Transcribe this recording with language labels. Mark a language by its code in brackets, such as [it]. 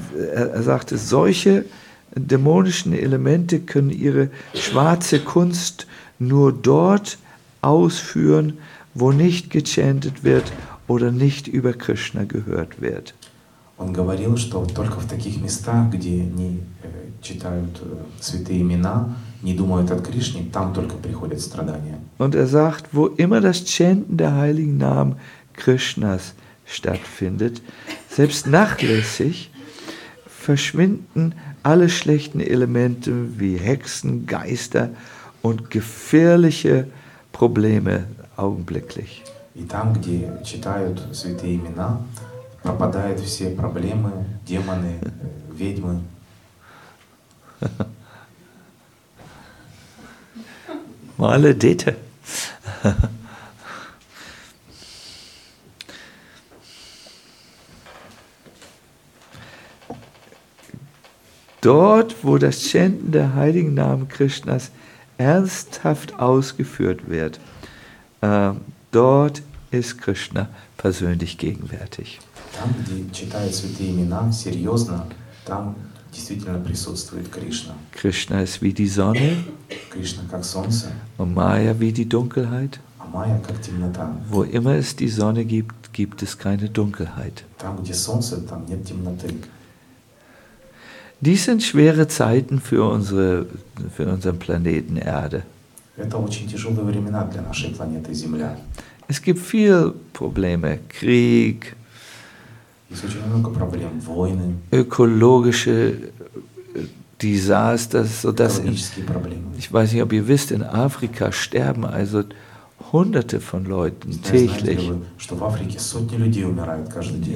[de] Er sagte, solche dämonischen Elemente können ihre schwarze Kunst nur dort ausführen, wo nicht gechantet wird oder nicht über Krishna gehört wird. [ru] Он говорил, что только в таких местах, где не читают святые имена, не думают о Кришне, там только приходят страдания. [de] Und er sagt, wo immer das Chanten der heiligen Namen Krishnas stattfindet, selbst nachlässig, verschwinden alle schlechten Elemente wie Hexen, Geister und gefährliche Probleme augenblicklich. [ru] И там, где читают святые имена, пропадают все проблемы, демоны, ведьмы. Мале дети. [de] Dort, wo das Chanten der heiligen Namen Krishnas ernsthaft ausgeführt wird, dort ist Krishna persönlich gegenwärtig. [ru] Там, где читают святые имена серьезно, там действительно присутствует Кришна. [de] Krishna ist wie die Sonne. [ru] Krishna как солнце. [de] Und Maya wie die Dunkelheit. [ru] А Майя как темнота. [de] Wo immer es die Sonne gibt, gibt es keine Dunkelheit. [ru] Там, где солнце, там нет темноты. [de] Dies sind schwere Zeiten für unsere, für unseren Planeten Erde. [ru] Это очень тяжелые времена для нашей планеты Земля. [de] Es gibt viel Probleme, Krieg. Es gibt [ru] очень много проблем, войны. [de] Ökologische Desaster, so dass ich weiß nicht, ob ihr wisst, in Afrika sterben also Hunderte von Leuten täglich. [ru] Что в Африке сотни людей умирают каждый день.